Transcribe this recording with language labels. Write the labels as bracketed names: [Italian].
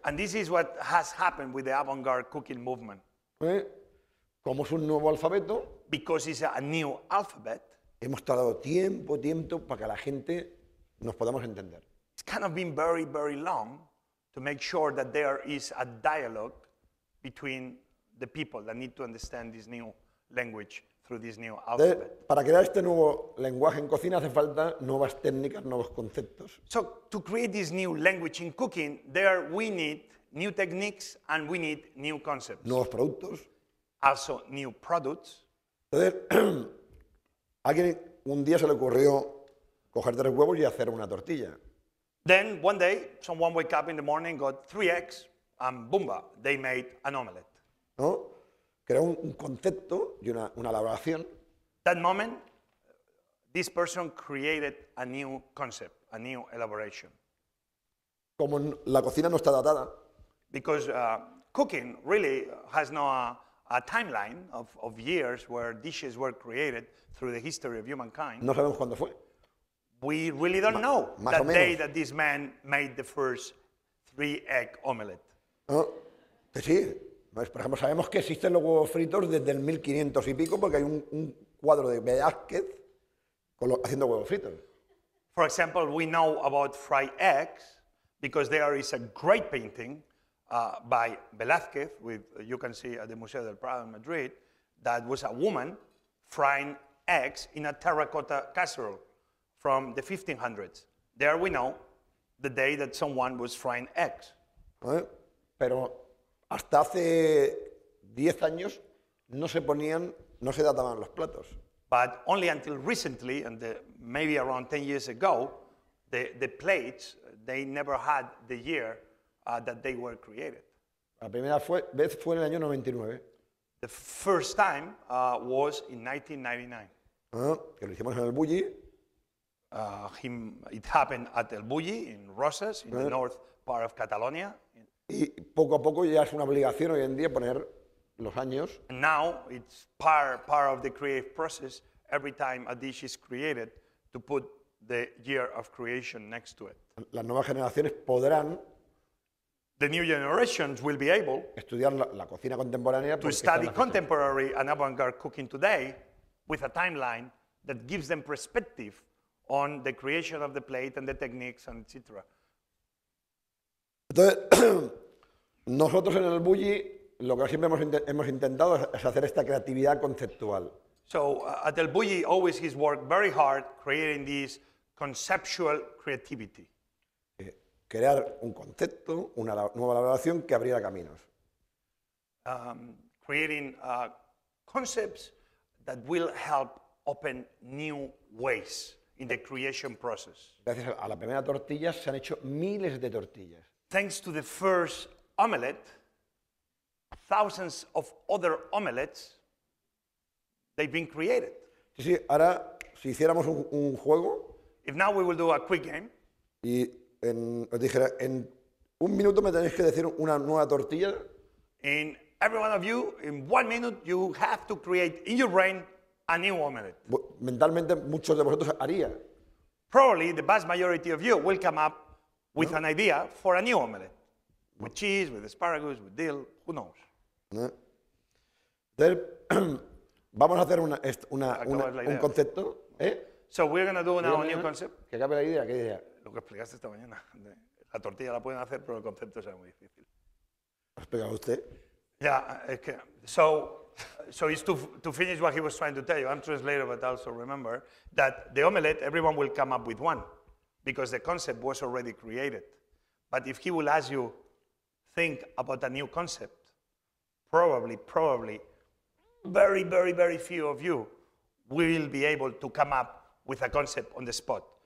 [English] And this is what has happened with the avant-garde cooking movement. [Spanish] Como es un nuevo alfabeto. [English] Because it's a new alphabet. [Spanish] Hemos tardado tiempo para que la gente nos podamos entender. [English] It's kind of been very, very long to make sure that there is a dialogue between the people that need to understand this new language through this new alphabet. [Spanish] Para crear este nuevo lenguaje en cocina hace falta nuevas técnicas, nuevos conceptos. [English] So to create this new language in cooking, there we need new techniques and we need new concepts. [Spanish] Nuevos productos. [English] Also new products. [Spanish] Alguien un día se le ocurrió coger tres huevos y hacer una tortilla. [English] Then one day someone wake up in the morning, got three eggs, and boomba, they made an omelette. [Spanish] ¿No? Creó un concepto y una elaboración. [English] That moment, this person created a new concept, a new elaboration. [Spanish] Como la cocina no está datada. [English] Because cooking really has no a timeline of years where dishes were created through the history of humankind. [Spanish] No sabemos cuándo fue. [English] We really don't know the day that this man made the first three-egg omelet. [Spanish] Pues sí. Pues, por ejemplo, sabemos que existen los huevos fritos desde el 1500 y pico porque hay un cuadro de Velázquez haciendo huevos fritos. [English] For example, we know about fried eggs because there is a great painting by Velázquez, with you can see at the Museo del Prado in Madrid, that was a woman frying eggs in a terracotta casserole from the 1500s. There we know the day that someone was frying eggs. [Spanish] Pero hasta hace 10 años no se ponían, no se databan los platos. [English] But only until recently, and maybe around 10 years ago, the plates, they never had the year that they were created. [Spanish] La primera vez fue en el año 99. [English] The first time was in 1999. [Spanish] Que lo hicimos en elBulli. [English] It happened at elBulli in Roses, in the north part of Catalonia. [Spanish] Y poco a poco ya es una obligación hoy en día poner los años. [English] And now it's part of the creative process, every time a dish is created, to put the year of creation next to it. [Spanish] Las nuevas generaciones podrán, [English] the new generations will be able, [Spanish] estudiar la cocina contemporánea, [English] to study contemporary and avant-garde cooking today with a timeline that gives them perspective on the creation of the plate and the techniques, and etc. [Spanish] Entonces, nosotros en elBulli lo que siempre hemos intentado es hacer esta creatividad conceptual. [English] So, at elBulli, always he's worked very hard creating this conceptual creativity. [Spanish] Crear un concepto, una nueva elaboración que abriera caminos. [English] Creating concepts that will help open new ways in the creation process. [Spanish] Gracias a la primera tortilla se han hecho miles de tortillas. [English] Thanks to the first omelette, thousands of other omelettes, they've been created. [Spanish] Sí, sí, ahora, si hiciéramos un juego, [English] if now we will do a quick game, [Spanish] y os dijera, en un minuto me tenéis que decir una nueva tortilla, [English] and every one of you, in 1 minute, you have to create in your brain a new omelette. [Spanish] Mentalmente, muchos de vosotros haría. [English] Probably the vast majority of you will come up with an idea for a new omelette, with cheese, with asparagus, with dill, who knows? [Spanish] Entonces, vamos a hacer un concepto. [English] So we're going to do now a new concept. [Spanish] Que acabe la idea, ¿qué idea? Lo que explicaste esta mañana. La tortilla la pueden hacer, pero el concepto será muy difícil. ¿Ha explicado usted? [English] Yeah, so it's to finish what he was trying to tell you. I'm translator, but also remember that the omelette, everyone will come up with one, because the concept was already created. But if he will ask you, think about a new concept, probably, very, very, very few of you will be able to come up with a concept on the spot.